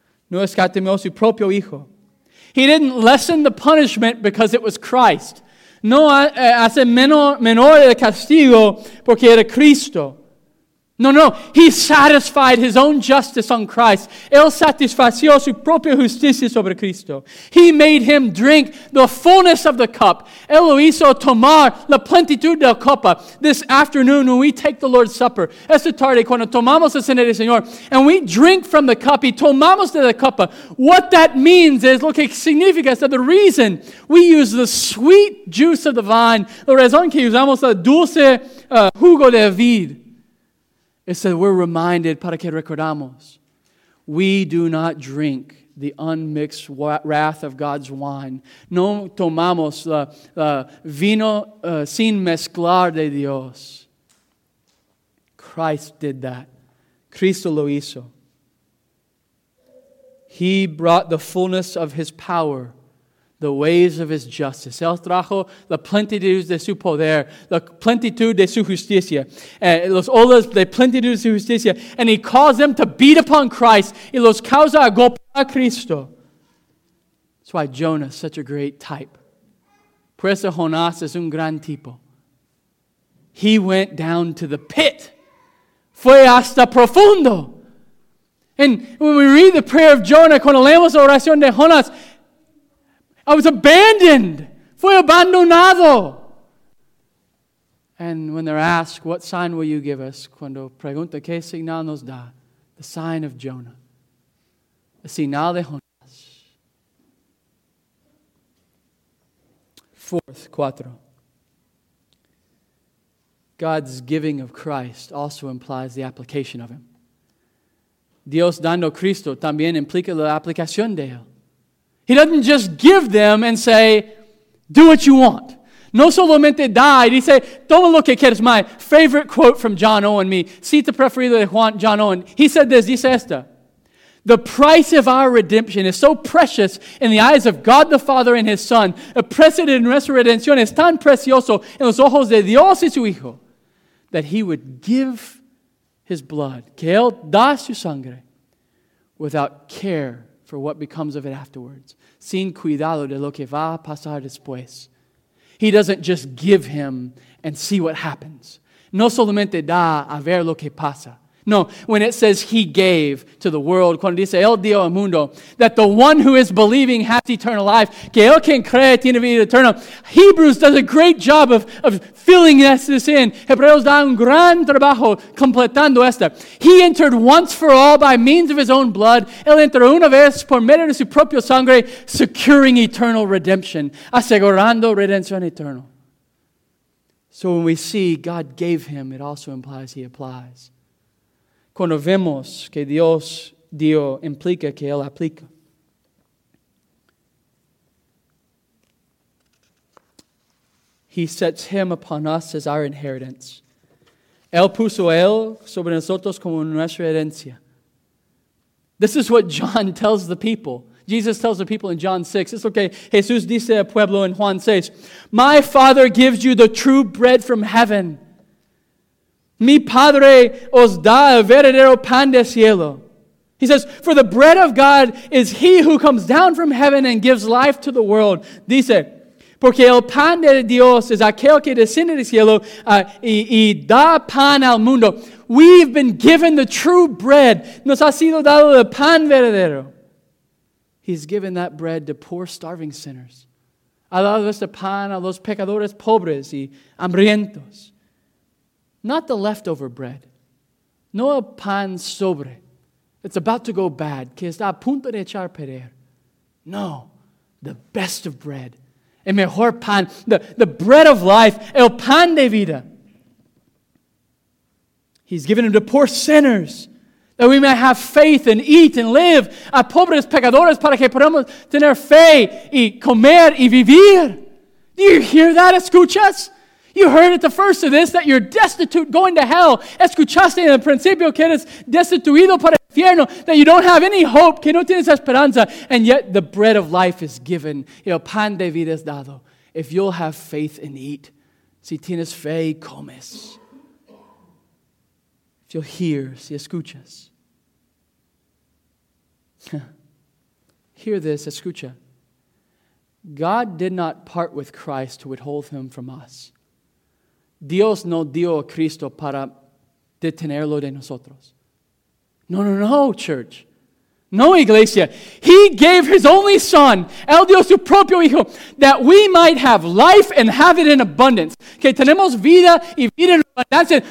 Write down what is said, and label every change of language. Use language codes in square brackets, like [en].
[es] No escatimó su propio hijo. [en] He didn't lessen the punishment because it was Christ. [es] No hace menor el castigo porque era Cristo. [en] No. He satisfied his own justice on Christ. [es] Él satisfació su propia justicia sobre Cristo. [en] He made him drink the fullness of the cup. [es] Él lo hizo tomar la plenitud del copa. [en] This afternoon when we take the Lord's Supper, [es] esta tarde cuando tomamos la cena del Señor, [en] and we drink from the cup, [es] y tomamos de la copa, [en] what that means is, [es] lo que significa, es [en] that the reason we use the sweet juice of the vine, [es] la razón que usamos el dulce jugo de vid, [en] it said, we're reminded, [es] para que recordamos, [en] we do not drink the unmixed wrath of God's wine. [es] No tomamos vino sin mezclar de Dios. [en] Christ did that. [es] Cristo lo hizo. [en] He brought the fullness of his power, the ways of his justice. [es] Él trajo la plenitud de su poder, la plenitud de su justicia, los olas de plenitud de su justicia, [en] and he caused them to beat upon Christ, [es] y los causa a golpear a Cristo. [en] That's why Jonah is such a great type. [es] Por eso Jonás es un gran tipo. [en] He went down to the pit. [es] Fue hasta profundo. [en] And when we read the prayer of Jonah, [es] cuando leemos la oración de Jonás, [en] I was abandoned. [es] Fui abandonado. [en] And when they're asked, what sign will you give us? [es] Cuando pregunta, ¿qué señal nos da? [en] The sign of Jonah. The [es] señal de Jonás. [en] Fourth, [es] cuatro. [en] God's giving of Christ also implies the application of him. [es] Dios dando Cristo también implica la aplicación de él. [en] He doesn't just give them and say, do what you want. [es] No solamente da, y dice, toma lo que quieres. [en] My favorite quote from John Owen, [es] cita preferida de Juan, [en] John Owen. He said this, [es] dice esta. [en] The price of our redemption is so precious in the eyes of God the Father and His Son. [es] El precio de nuestra redención es tan precioso en los ojos de Dios y su Hijo [en] that He would give His blood, [es] que Él da su sangre, [en] without care for what becomes of it afterwards. [es] Sin cuidado de lo que va a pasar después. [en] He doesn't just give him and see what happens. [es] No solamente da a ver lo que pasa. [en] No, when it says he gave to the world, [es] cuando dice él dio al mundo, [en] that the one who is believing has eternal life, [es] que él quien cree tiene vida eterna. [en] Hebrews does a great job of filling this in. [es] Hebreos da un gran trabajo completando esta. [en] He entered once for all by means of his own blood. [es] Él entró una vez por medio de su propio sangre, [en] securing eternal redemption, [es] asegurando redención eterna. [en] So when we see God gave him, it also implies he applies. [es] Cuando vemos que Dios dio, implica que Él aplica. [en] He sets him upon us as our inheritance. [es] Él puso él sobre nosotros como nuestra herencia. [en] This is what John tells the people. Jesus tells the people in John 6. It's okay. [es] Jesús dice al pueblo en Juan 6. [en] My Father gives you the true bread from heaven. [es] Mi Padre os da el verdadero pan de cielo. [en] He says, for the bread of God is he who comes down from heaven and gives life to the world. [es] Dice, porque el pan de Dios es aquel que desciende del cielo y da pan al mundo. [en] We've been given the true bread. [es] Nos ha sido dado el pan verdadero. [en] He's given that bread to poor, starving sinners. [es] Ha dado ese pan a los pecadores pobres y hambrientos. [en] Not the leftover bread. [es] No el pan sobre. [en] It's about to go bad. [es] Que está a punto de echar a perder. No. [en] The best of bread. [es] El mejor pan. [en] The bread of life. [es] El pan de vida. [en] He's given them to poor sinners. That we may have faith and eat and live. [es] A pobres pecadores para que podamos tener fe y comer y vivir. [en] Do you hear that? [es] Escuchas? [en] You heard at the first of this that you're destitute going to hell. [es] Escuchaste en el principio que eres destituido para el infierno. [en] That you don't have any hope. [es] Que no tienes esperanza. [en] And yet the bread of life is given. [es] El pan de vida es dado. [en] If you'll have faith and eat. [es] Si tienes fe, comes. [en] If you'll hear, [es] si escuchas. [en] Hear this, [es] escucha. [en] God did not part with Christ to withhold him from us. [es] Dios no dio a Cristo para detenerlo de nosotros. [en] No, no, no, church. [es] No, iglesia. [en] He gave his only son, [es] él dio su propio hijo, [en] that we might have life and have it in abundance. [es] Que tenemos vida y vida en abundancia.